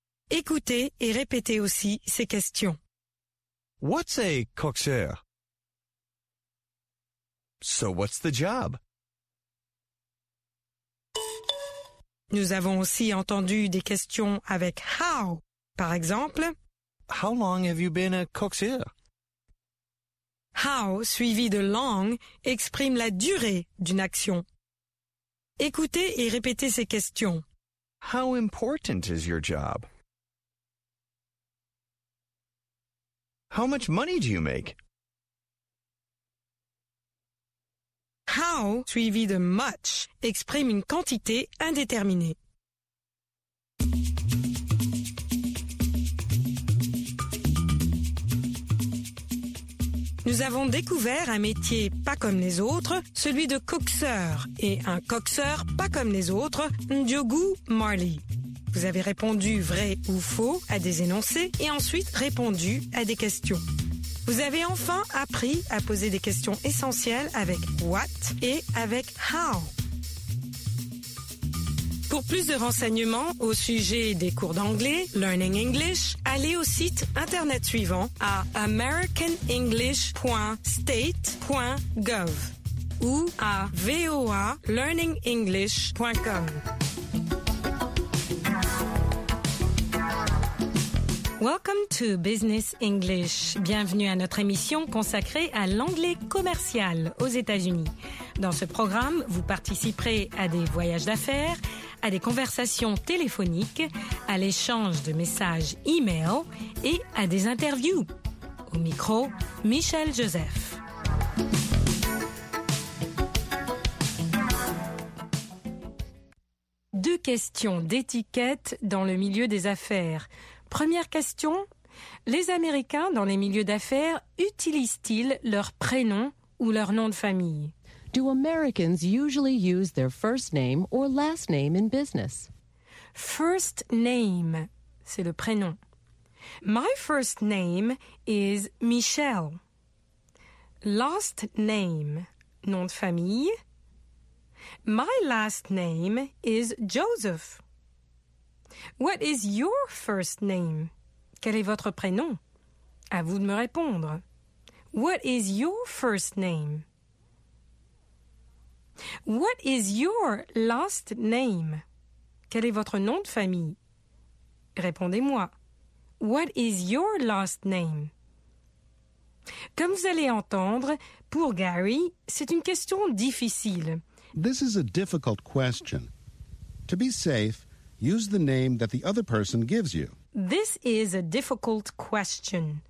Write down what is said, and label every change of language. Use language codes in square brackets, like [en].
[fr] Écoutez et répétez aussi ces questions. [en] What's a coxeur? So what's the job? [fr] Nous avons aussi entendu des questions avec how. Par exemple, [en] how long have you been a coxeur? [fr] How, suivi de long, exprime la durée d'une action. Écoutez et répétez ces questions. [en] How important is your job? How much money do you make? [fr] How, suivi de much, exprime une quantité indéterminée. Nous avons découvert un métier pas comme les autres, celui de coxeur, et un coxeur pas comme les autres, Ndiogu Marley. Vous avez répondu vrai ou faux à des énoncés et ensuite répondu à des questions. Vous avez enfin appris à poser des questions essentielles avec « what » et avec « how ». Pour plus de renseignements au sujet des cours d'anglais « Learning English », allez au site Internet suivant à americanenglish.state.gov ou à voalearningenglish.com. [en] Welcome to Business English. [fr] Bienvenue à notre émission consacrée à l'anglais commercial aux États-Unis. Dans ce programme, vous participerez à des voyages d'affaires, à des conversations téléphoniques, à l'échange de messages e-mail et à des interviews. Au micro, Michel Joseph. Deux questions d'étiquette dans le milieu des affaires. Première question, les Américains dans les milieux d'affaires utilisent-ils leur prénom ou leur nom de famille? [en] Do Americans usually use their first name or last name in business? First name, [fr] c'est le prénom. [en] My first name is Michelle. [fr] Last name, nom de famille. [en] My last name is Joseph. What is your first name? [fr] Quel est votre prénom? À vous de me répondre. [en] What is your first name? What is your last name? [fr] Quel est votre nom de famille? Répondez-moi. [en] What is your last name? [fr] Comme vous allez entendre, pour Gary, c'est une question difficile. [en] This is a difficult question. To be safe, use the name that the other person gives you. This is a difficult question.